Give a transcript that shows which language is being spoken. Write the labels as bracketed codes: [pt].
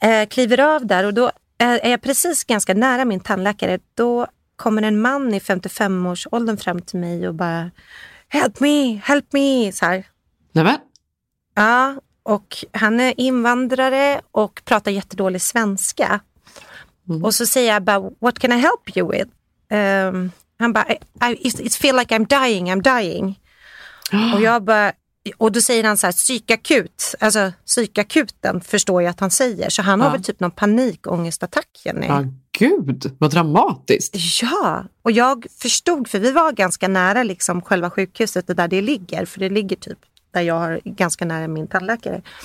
[sv] Kliver av där, och då är jag precis ganska nära min tandläkare, då kommer en man i 55-årsåldern fram till mig och bara, [en] help me, [sv] så här. Nej men. Ja, och han är invandrare och pratar jättedålig svenska. Mm. Och så säger jag bara, [en] what can I help you with? [sv] Han bara, [en] it feels like I'm dying. [sv] Och jag bara, och då säger han så här, psykakut. Alltså, psykakuten förstår jag att han säger. Så han har väl typ någon panikångestattack, Jenny. Ja, gud, vad dramatiskt. Ja, och jag förstod, för vi var ganska nära liksom själva sjukhuset, där det ligger, för det ligger typ där jag har ganska nära min tandläkare.